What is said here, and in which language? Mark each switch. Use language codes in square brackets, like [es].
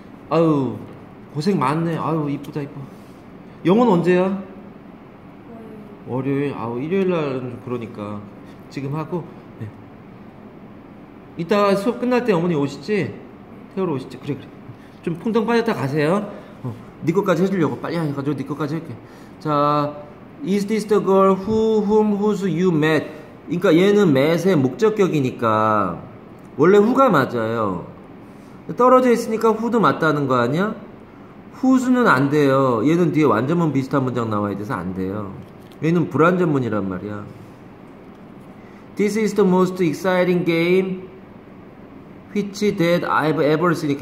[ko] 아유 고생 많네. 아유 이쁘다 이뻐. 영어는 언제야? 월요일. 아우 일요일날은 그러니까 지금 하고. 네. 이따 수업 끝날 때 어머니 오시지? 태우러 오시지? 그래 그래 좀 풍덩 빠졌다 가세요. 네 것까지 해주려고 빨리 해가지고 네 것까지 할게. [en] 자 Is this the girl who, whom, whose you met? [ko] 그러니까 얘는 met의 목적격이니까 원래 who가 맞아요. 떨어져 있으니까 who도 맞다는 거 아니야? whose는 안 돼요. 얘는 뒤에 완전문 비슷한 문장 나와야 돼서 안 돼요. 얘는 불완전문이란 말이야. [en] This is the most exciting game which that I've ever seen.